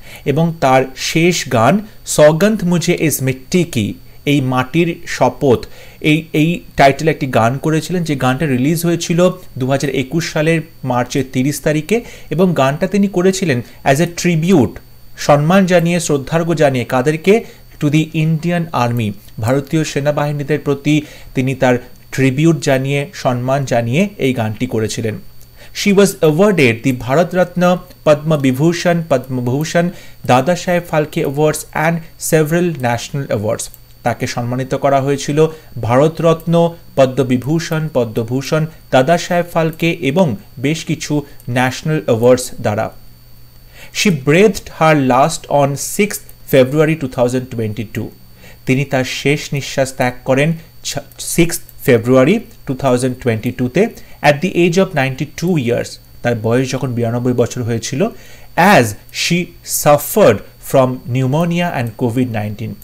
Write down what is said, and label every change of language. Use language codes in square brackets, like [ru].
[bn] এবং তার শেষ গান সৌগন্ধ মুঝে ইস মিট্টি কি, এই মাটির শপথ, এই এই টাইটেল একটি গান করেছিলেন, যে গানটা রিলিজ হয়েছিল 2021 সালের March 30 এবং গানটা তিনি করেছিলেন [en] as a tribute, [bn] সম্মান জানিয়ে শ্রদ্ধার্ঘ জানিয়ে কাদেরকে, [en] to the Indian army, [bn] ভারতীয় সেনাবাহিনীদের প্রতি তিনি তার ট্রিবিউট জানিয়ে সম্মান জানিয়ে এই গানটি করেছিলেন। [en] She was awarded the Bharat Ratna, Padma Vibhushan, Padma Bhushan, Dada Saheb Phalke Awards and several national awards. [bn] তাকে সম্মানিত করা হয়েছিল ভারতরত্ন পদ্মবিভূষণ পদ্মভূষণ দাদাসাহেব ফালকে এবং বেশ কিছু [en] national awards দ্বারা she breathed her last on 6th February 2022 [bn] তিনি তার শেষ নিঃশ্বাস ত্যাগ করেন [en] 6th February 2022 at the age of 92 years [bn] তার বয়স যখন 92 বছর হয়েছিল [en] as she suffered from pneumonia and কোভিড-19